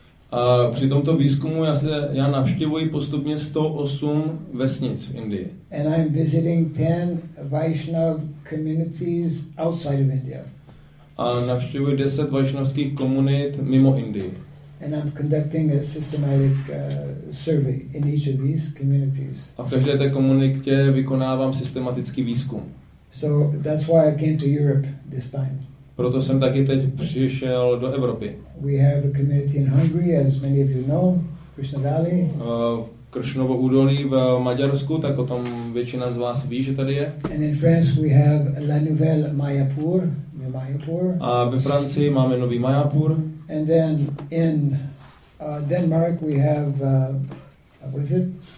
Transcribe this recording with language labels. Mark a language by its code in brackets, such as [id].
[cs] A při tomto výzkumu já navštěvuji postupně 108 vesnic v Indii. [en] And I'm visiting 10 Vaishnav communities outside of India. [cs] A navštěvuji 10 vaishnavských komunit mimo Indii. [en] And I'm conducting a systematic survey in each of these communities. [cs] A v každé té komunitě vykonávám systematický výzkum. [en] So that's why I came to Europe this time. [cs] Proto jsem taky teď přišel do Evropy. [en] We have a community in Hungary, as many of you know, Krishna Valley. [cs] Krishnovo údolí v Maďarsku, tak o tom většina z vás ví, že tady je. [en] And in France we have La Nouvelle-Mayapur, near Mayapur. [cs] A ve Francii máme nový Mayapur. [en] And then in Denmark we have what is it?